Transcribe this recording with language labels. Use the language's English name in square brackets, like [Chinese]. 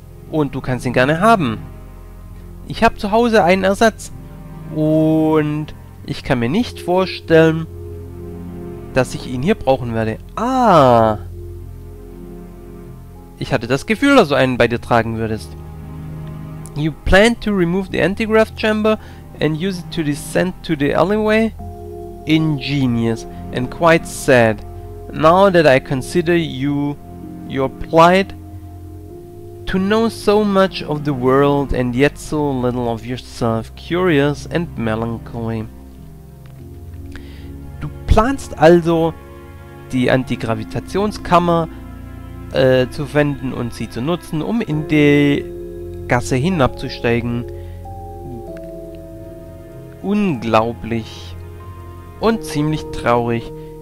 [German] Und du kannst ihn gerne haben. Ich habe zu Hause einen Ersatz. Und ich kann mir nicht vorstellen, dass ich ihn hier brauchen werde. Ah! Ich hatte das Gefühl, dass du einen bei dir tragen würdest. [English] You plan to remove the antigrav chamber and use it to descend to the alleyway? Ingenious and quite sad. Now that I consider you, your plight, to know so much of the world and yet so little of yourself, curious and melancholy. [German] Du planst also, die Antigravitationskammer zu wenden und sie zu nutzen, um in die Gasse hinabzusteigen. Unglaublich und ziemlich traurig.